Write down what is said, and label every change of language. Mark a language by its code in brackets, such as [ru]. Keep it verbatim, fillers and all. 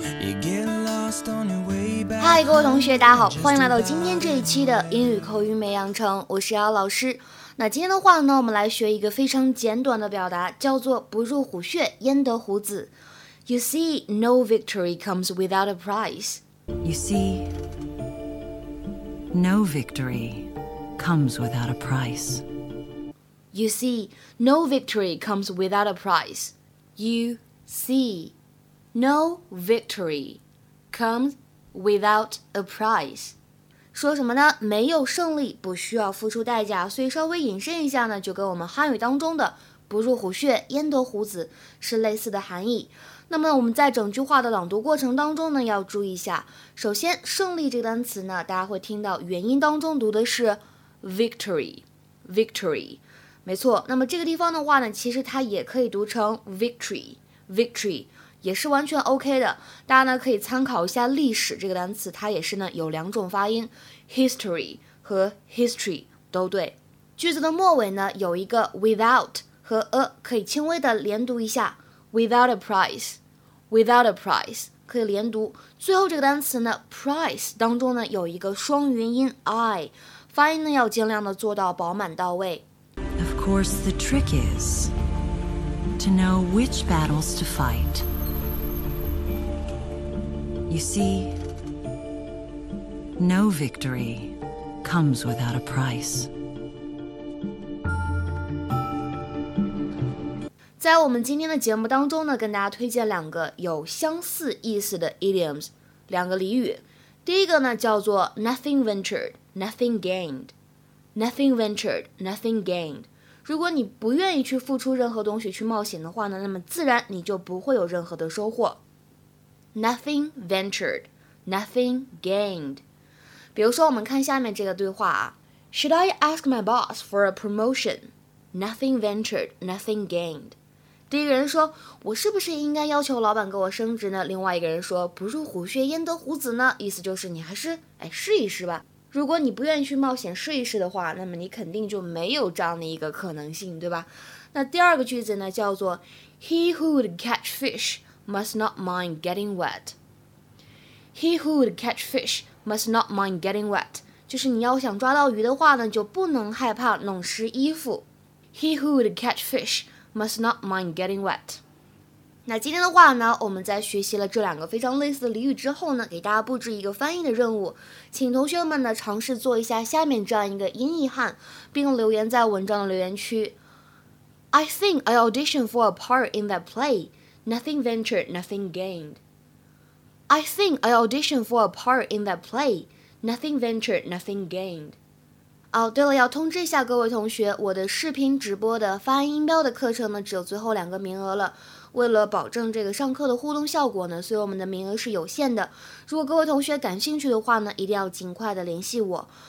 [zh] 嗨，各位同学，大家好，欢迎来到今天这一期的英语口语美养成，我是姚老师。那今天的话呢，我们来学一个非常简短的表达，叫做不入虎穴，焉得虎子。 [en] You see, no victory comes without a prize. You see, no victory comes without a price. You see, no victory comes without a price. You see, no victory comes without a price. [zh] 说什么呢？没有胜利不需要付出代价，所以稍微引申一下呢，就跟我们汉语当中的不入虎穴，焉得虎子是类似的含义。那么我们在整句话的朗读过程当中呢，要注意一下。首先，胜利这个单词呢，大家会听到元音当中读的是 victory， victory， 没错。那么这个地方的话呢，其实它也可以读成 victory， victory 也是完全 OK 的。大家呢可以参考一下历史这个单词，它也是呢有两种发音 ，history 和 history 都对。句子的末尾呢有一个 without 和 a 可以轻微的连读一下。 [en] Without a price, without a price [zh] 可以连读。最后这个单词呢 price 当中呢有一个双元音 I， 发音呢要尽量的做到饱满到位。 [en] Of course, the trick is to know which battles to fight. You see, no victory comes without a price. [zh] 在我们今天的节目当中呢，跟大家推荐两个有相似意思的 idioms， 两个俚语。第一个呢叫做 [en] nothing ventured, nothing gained, nothing ventured, nothing gained。 [zh] 如果你不愿意去付出任何东西去冒险的话呢，那么自然你就不会有任何的收获。 [en] Nothing ventured, nothing gained。 [zh] 比如说，我们看下面这个对话啊 ， [en] Should I ask my boss for a promotion? Nothing ventured, nothing gained。 [zh] 第一个人说，我是不是应该要求老板给我升职呢？另外一个人说，不入虎穴焉得虎子呢？意思就是你还是哎试一试吧。如果你不愿意去冒险试一试的话，那么你肯定就没有这样的一个可能性，对吧？那第二个句子呢，叫做 [en] He who would catch fish must not mind getting wet. He who would catch fish must not mind getting wet. [zh] 就是你要想抓到鱼的话呢，就不能害怕弄湿衣服。 [en] He who would catch fish. Must not mind getting wet. [zh] 那今天的话呢，我们在学习了这两个非常类似的俚语之后呢，给大家布置一个翻译的任务，请同学们呢尝试做一下下面这样一个音译汉，并留言在文章的留言区。 [en] I think I auditioned for a part in that play. Nothing ventured, nothing gained. I think I auditioned for a part in that play. Nothing ventured, nothing gained. [zh] 哦、oh, 对了，要通知一下各位同学，我的视频直播的发音音标的课程呢只有最后两个名额了。为了保证这个上课的互动效果呢，所以我们的名额是有限的。如果各位同学感兴趣的话呢，一定要尽快的联系我。